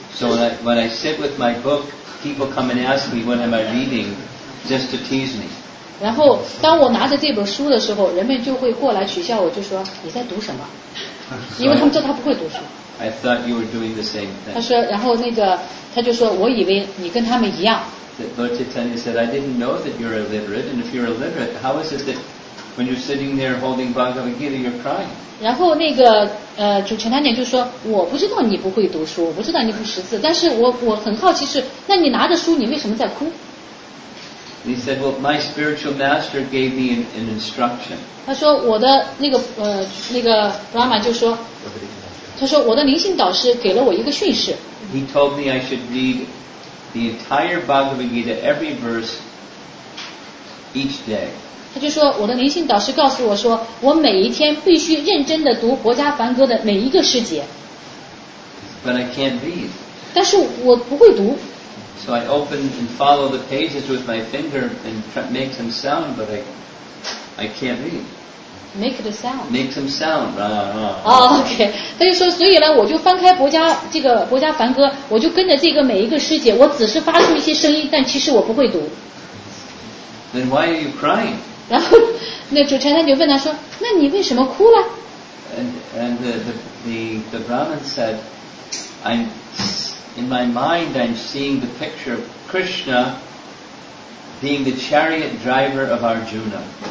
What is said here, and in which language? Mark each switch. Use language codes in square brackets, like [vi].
[en] So when I sit with my book, people come and ask me what am I reading, just to tease me. [zh] 然后当我拿着这本书的时候，人们就会过来取笑我，就说你在读什么？因为他们知道他不会读书。 [en] I thought you were doing the same thing. [zh] 他说，然后那个他就说，我以为你跟他们一样。 [en] Lord Chaitanya said, I didn't know that you're illiterate, and if you're illiterate, how is it that when you're sitting there holding Bhagavad Gita, you're crying? [zh] 然后那个主陈太监就说，我不知道你不会读书，我不知道你不识字，但是我很好奇是，那你拿着书，你为什么在哭？ [en] He said, well, my spiritual master gave me an instruction. [zh] 他说我的那个 Brahma 就说，他说我的灵性导师给了我一个训示。 [en] He told me I should read the entire Bhagavad Gita, every verse, each day. [zh] 他就说我的灵性导师告诉我说，我每一天必须认真地读国家梵歌的每一个诗节。 [en] But I can't read. [zh] 但是我不会读。 [en] So I open and follow the pages with my finger and make some sound, but I can't read. Make the sound. Make some sound. OK. [zh] 他就说，所以呢，我就翻开国家梵歌，我就跟着这个每一个诗节，我只是发出一些声音，但其实我不会读。 [en] Then why are you crying? [zh] 然后那主持人就问他说，那你为什么哭了？ [en] And the Brahman said, In my mind, I'm seeing the picture of Krishna being the chariot driver of Arjuna.